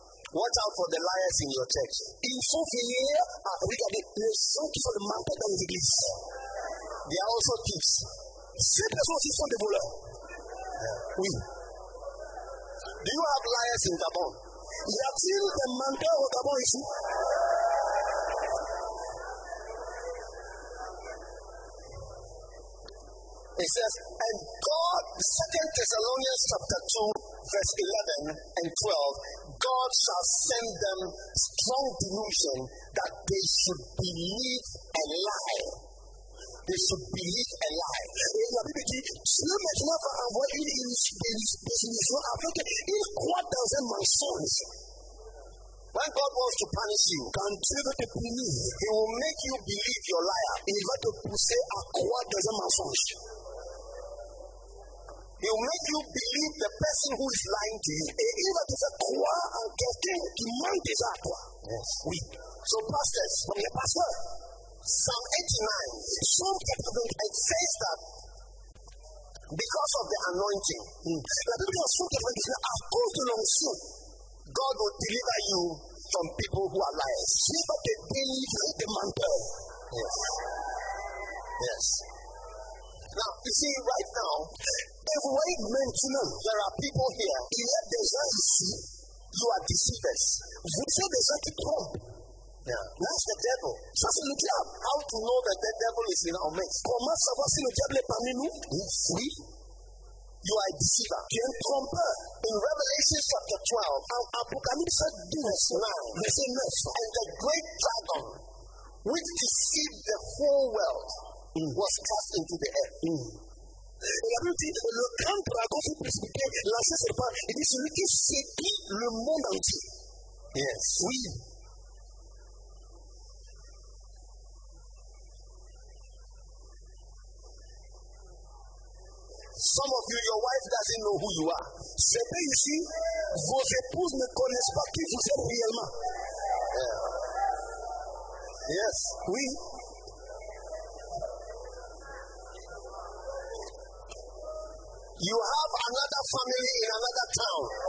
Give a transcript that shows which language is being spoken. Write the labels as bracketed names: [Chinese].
[English] Watch out for the liars in your church. [French] Il faut venir à regarder les gens qui sont le menteur dans les églises. [English] They are also thieves. [French] Ces personnes aussi sont des voleurs. [English] Yeah. [French] Oui. [English] Do you have liars in Gabon? [French] Y a-t-il des menteurs au Gabon ici? [English] It says, and God, 2 Thessalonians chapter 2, verse 11 and 12, God shall send them strong delusion that they should believe a lie. They should believe a lie. [French] Et la Bible dit, Dieu maintenant va envoyer une désillusion afin qu'ils croient dans un mensonge. [English] When God wants to punish you, [French] quand Dieu veut te punir, [English] he will make you believe your liar. [French] Il va te pousser à croire dans un mensonge. [English] He will make you believe the person who is lying to you. [French] Et il va te faire croire en quelqu'un qui ment déjà à toi. [English] Yes. [French] Oui. [English] So pastors, from your pastor, Psalm 89, Psalm 89, it says that because of the anointing, [French] La Bible of Psalm 89, à cause de l'onction, [English] God will deliver you from people who are liars. He will deliver you from people. Yes. Yes. Now, you see, right now, if we mention there are people here, [French] il y a des gens ici, [English] you are deceivers. [French] Vous êtes des gens qui trompent. [English] Yeah. That's the devil. [French] Ça, c'est le diable. [English] How to know that the devil is in our midst? [French] Comment savoir si le diable est parmi nous? [English] Oui. You are a deceiver. [French] Tu es un trompeur. [English] In Revelation chapter 12, [French] en Apocalypse 12, verset 9, [English] and the great dragon, which deceived the whole world, was cast into the earth. [French] Et la Bible dit, le grand dragon fut précipité, lancé sur le pas, et dit, celui qui séduit le monde entier. [English] Yes. [French] Oui. [English] Some of you, your wife doesn't know who you are. [French] C'est bien ici, vos épouses ne connaissent pas qui vous êtes réellement. [English] Yeah. Yes. [French] Oui. [English] You have another family in another town.